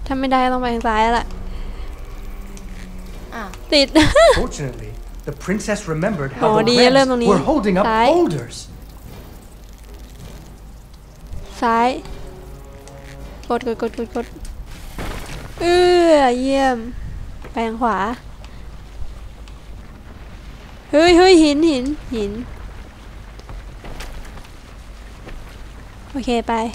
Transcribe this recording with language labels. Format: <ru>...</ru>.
<th>ถ้าไม่ได้ต้องไปทางซ้ายแล้วล่ะติด</th> <en>Fortunately the princess remembered how the princess were holding up boulders</en> <th>ซ้ายกดเออเยี่ยมไปทางขวาเฮ้ยๆหินโอเคไป</th>